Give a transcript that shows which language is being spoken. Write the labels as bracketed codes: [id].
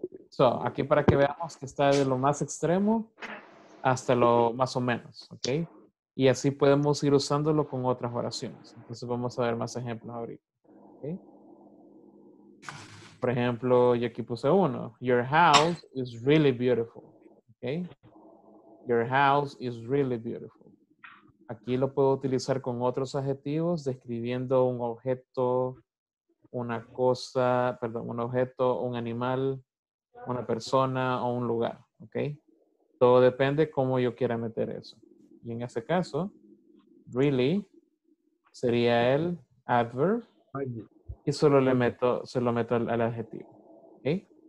[es] So, aquí para que veamos que está de lo más extremo hasta lo más o menos, okay? Y así podemos ir usándolo con otras oraciones. Entonces vamos a ver más ejemplos ahorita, okay? Por ejemplo, yo aquí puse uno. [en] Your house is really beautiful, okay? Your house is really beautiful. [es] Aquí lo puedo utilizar con otros adjetivos, describiendo un objeto, una cosa, perdón, un objeto, un animal, una persona o un lugar, ¿ok? Todo depende cómo yo quiera meter eso. Y en ese caso, really sería el adverb y solo le meto, se lo meto al adjetivo, ¿ok?